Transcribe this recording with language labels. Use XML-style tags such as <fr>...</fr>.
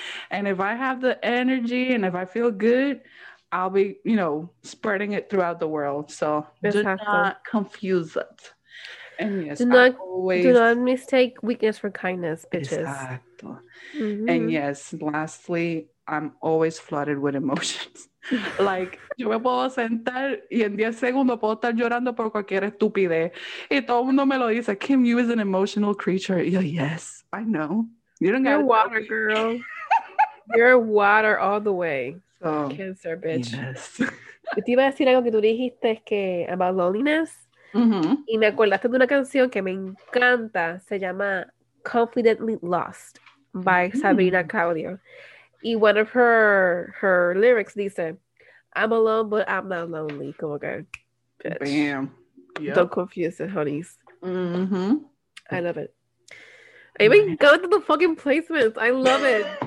<en>And if I have the energy and if I feel good, I'll be, you know, spreading it throughout the world. So do not confuse it. And yes, do not mistake weakness for kindness, bitches. Exactly. Mm-hmm. And yes, lastly, I'm always flooded with emotions.</en> <es>Like, yo me puedo sentar y en 10 segundos puedo estar llorando por cualquier estupidez. Y todo el mundo me lo dice, Kim,</es> <en>you is an emotional creature.</en> <es>Yo,</es> <en>yes, I know. You're water, girl. You're water all the way. So, cancer, bitch. Yes.</en> <es>Te iba a decir algo que tú dijiste que</es> <en>about loneliness. Mm-hmm.</en> <es>Y me acordaste de una canción que me encanta. Se llama Confidently Lost by mm-hmm. Sabrina Claudio.</es> <en>Y one of her lyrics dice, I'm alone, but I'm not lonely.</en> <es>Como que, bitch.</es> <en>Bam. Yep. Don't confuse it, honeys. Mm-hmm. I love it. I mean, go to the fucking placements. I love it.</en>